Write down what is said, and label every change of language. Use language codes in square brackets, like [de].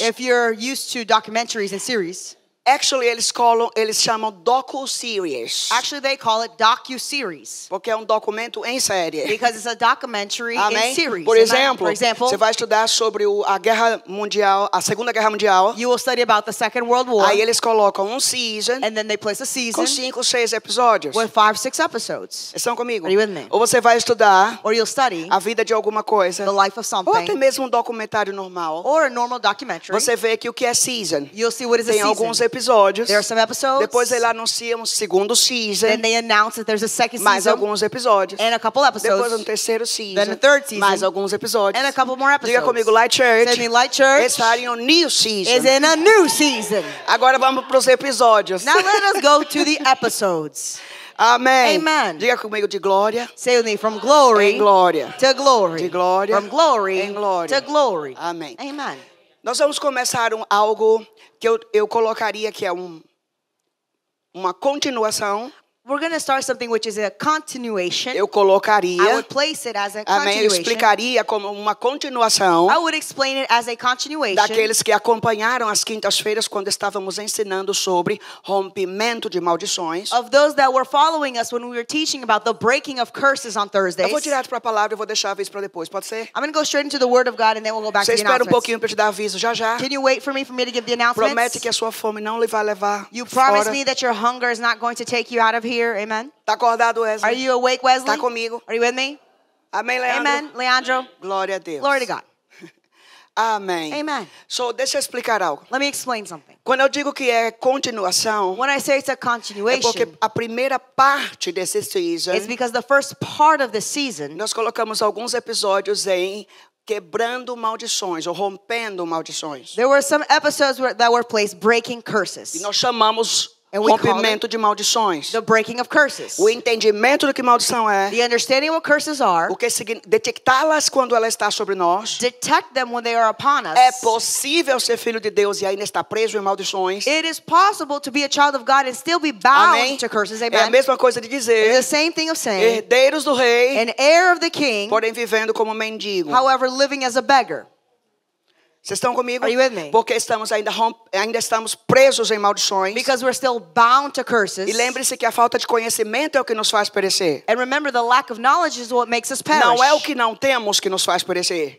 [en] If you're used to documentaries and series. [pt] Actually, eles chamam docu-series. [en] Actually, they call it docu-series. [pt] Porque é documento em série. [en] Because it's a documentary [pt] Amém? [en] In series. [pt] Por exemplo, [en] for example, [pt] você vai estudar sobre a Guerra Mundial, a Segunda Guerra Mundial. [en] You will study about the Second World War. [pt] Aí eles colocam season. [en] And then they place a season. [pt] Com 5 ou 6 episódios. [en] With 5 or 6 episodes. [pt] Estão comigo? [en] Are you with me? [pt] Ou você vai estudar. [en] Or you'll study. [pt] A vida de alguma coisa. [en] The life of something. [pt] Ou até mesmo documentário normal. [en] Or a normal documentary. [pt] Você vê que o que é season. [en] You'll see what is [pt] Tem [en] a season. [pt] Alguns episódios. [en] There are some episodes. [pt] Depois ele anuncia segundo season. [en] Then they announce that there's a second season. [pt] Mais alguns episódios. [en] And a couple episodes. [pt] Depois terceiro season. [en] Then a third season. [pt] Mais alguns episódios. [en] And a couple more episodes. [pt] Diga comigo, Light Church. [en] Say me, Light Church. [pt] Está em [en] new season. Is in a new season. [pt] Agora vamos para os episódios. [en] Now let us go to the episodes. [pt] Amém. [en] Amen. [pt] Diga comigo de glória. [en] Say with me, from glory. [pt] Em glória. [en] To glory. [pt] De glória. [en] From glory. [pt] Em glória. [en] To glory. [pt] Amém. [en] Amen. [pt] Nós vamos começar algo que eu colocaria que é uma continuação. [en] We're going to start something which is a continuation. [pt] Eu colocaria. [en] I would place it as a continuation. [pt] Eu explicaria como uma continuação. [en] I would explain it as a continuation. [pt] Daqueles que acompanharam as quintas-feiras quando estávamos ensinando sobre rompimento de maldições. [en] Of those that were following us when we were teaching about the breaking of curses on Thursdays. [pt] Eu vou direto para a palavra e vou deixar aviso para depois, pode ser? [en] I'm going to go straight into the word of God and then we'll go back to the announcements. [pt] Você espera um pouquinho para te dar aviso já já? [en] Can you wait for me to give the announcements? [pt] Promete que a sua fome não lhe vai levar fora. [en] You promise me that your hunger is not going to take you out of here. Amen. [pt] Tá acordado, Wesley? [en] Are you awake, Wesley? [pt] Tá comigo. [en] Are you with me? [pt] Amém, Leandro. [en] Amen. Leandro. [pt] Glória a Deus. [en] Glory to God. [pt] Amém. [en] Amen. [pt] So, deixa eu explicar algo. [en] Let me explain something. [pt] Quando eu digo que é continuação, [en] when I say it's a continuation, [pt] é porque a primeira parte desse season, [en] it's because the first part of the season, [pt] nós colocamos alguns episódios em quebrando maldições ou rompendo maldições. [en] There were some episodes that were placed breaking curses. [pt] E nós chamamos rompimento de maldições. [en] The breaking of curses. [pt] O entendimento do que maldição é. [en] The understanding of what curses are. [pt] O que significa detectá-las quando ela está sobre nós. [en] Detect them when they are upon us. [pt] É possível ser filho de Deus e ainda estar preso em maldições. [en] It is possible to be a child of God and still be bound. [pt] Amém. [en] To curses. Amen. [pt] É a mesma coisa de dizer. [en] It's the same thing of saying. [pt] Herdeiros do rei. [en] An heir of the king. [pt] Porém vivendo como mendigo. [en] However, living as a beggar. [pt] Vocês estão comigo? [en] Are you with me? [pt] Porque estamos ainda estamos presos em maldições. [en] Because we're still bound to curses. [pt] E lembre-se que a falta de conhecimento é o que nos faz perecer. [en] And remember, the lack of knowledge is what makes us perish. [pt] Não é o que não temos que nos faz perecer.